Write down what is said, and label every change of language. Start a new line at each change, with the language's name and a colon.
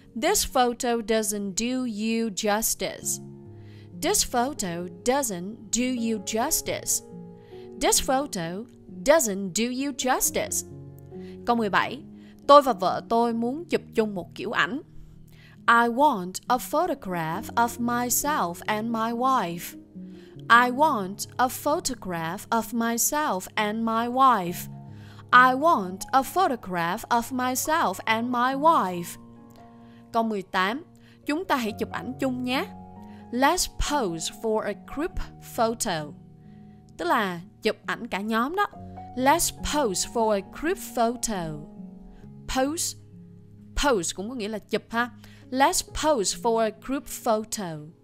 English: This photo doesn't do you justice. This photo doesn't do you justice. This photo doesn't do you justice.
Vietnamese: Câu 17. Tôi và vợ tôi muốn chụp chung một kiểu ảnh.
English: I want a photograph of myself and my wife. I want a photograph of myself and my wife. I want a photograph of myself and my wife.
Vietnamese: Câu 18. Chúng ta hãy chụp ảnh chung nhé.
English: Let's pose for a group photo.
Vietnamese: Tức là chụp ảnh cả nhóm đó.
English: Let's pose for a group photo.
Vietnamese: Pose. Pose cũng có nghĩa là chụp ha.
English: Let's pose for a group photo.